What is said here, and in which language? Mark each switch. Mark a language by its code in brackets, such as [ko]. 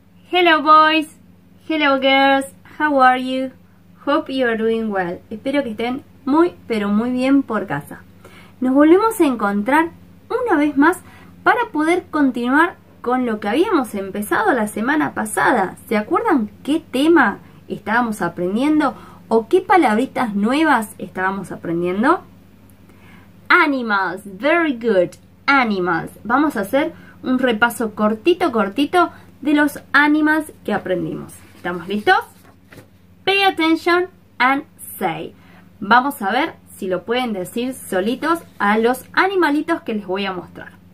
[en] Hello boys, hello girls, how are you? Hope you are doing well. [es] Espero que estén muy, pero muy bien por casa. Nos volvemos a encontrar una vez más para poder continuar con lo que habíamos empezado la semana pasada. ¿Se acuerdan qué tema estábamos aprendiendo o qué palabritas nuevas estábamos aprendiendo? [en] Animals, very good, animals. [es] Vamos a hacer un repaso cortito, cortito de los animals que aprendimos. ¿Estamos listos? [en] Pay attention and say. [es] Vamos a ver si lo pueden decir solitos a los animalitos que les voy a mostrar.